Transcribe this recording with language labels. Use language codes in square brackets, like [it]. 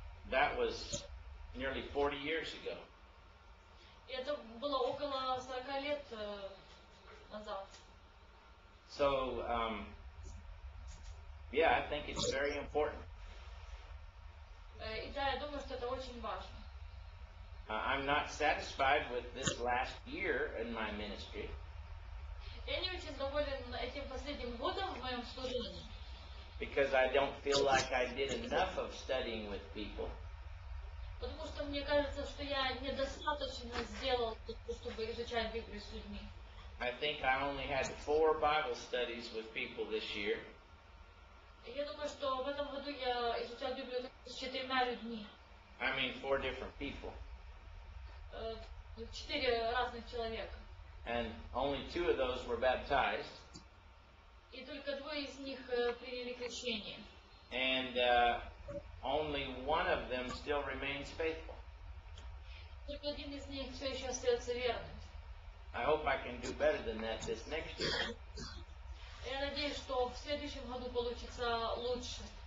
[en] That was nearly 40 years ago. [ru] Это было около 40 лет назад. [en] So, yeah, I think it's very important. [ru] И да, я думаю, что это очень важно. [en] I'm not satisfied with this last year in my ministry. [ru] Я не очень доволен этим последним годом в моем служении. [en] Because I don't feel like I did enough of studying with people. [ru] Потому что мне кажется, что я недостаточно сделал, чтобы изучать Библию с людьми. [en] I think I only had 4 Bible studies with people this year. [ru] Я думаю, что в этом году я изучал Библию с 4 людьми. [en] I mean 4 different people. [ru] Четыре разных человека. [en] And only 2 of those were baptized. [ru] И только двое из них приняли крещение. [en] And only one of them still remains faithful. [ru] Только один из них все еще остается верным. [en] I hope I can do better than that this next year. [ru] Я надеюсь, что в следующем году получится лучше.